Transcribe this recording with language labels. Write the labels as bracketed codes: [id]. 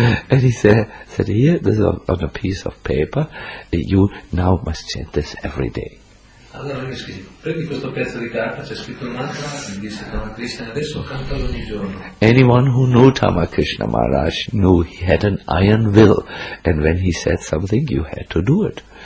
[en] And he said, here, this is on a piece of paper, you now must chant this every day. [it] Allora mi scrive, prendi questo pezzo di carta, c'è scritto un mantra, mi disse Tama Krishna, adesso cantalo ogni giorno. [en] Anyone who knew Tama Krishna Maharaj knew he had an iron will, and when he said something, you had to do it.